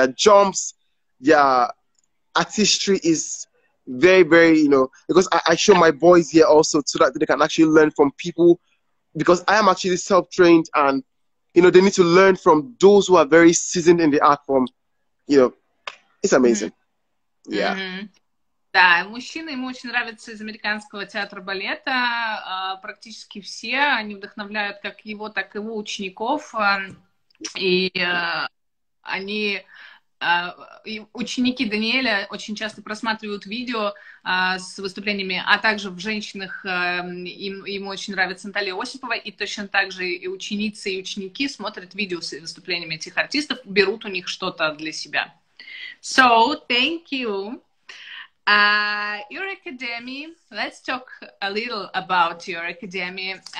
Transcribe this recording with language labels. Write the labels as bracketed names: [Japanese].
[English] Their jumps, their artistry is very, very, you know, because I show my boys here also so that they can actually learn from people, because I am actually self-trained and, you know, they need to learn from those who are very seasoned in the art form. You know, it's amazing. Mm-hmm. Yeah. Mm-hmm. [Russian] Да, мужчины ему очень нравятся из американского театра балета, практически все, они вдохновляют как его, так и его учеников, и они, ученики Даниэля очень часто просматривают видео с выступлениями, а также в женщинах им очень нравится Наталья Осипова, и точно так же и ученицы, и ученики смотрят видео с выступлениями этих артистов, берут у них что-то для себя. [English] So, thank you. Your academy, let's talk a little about your academy.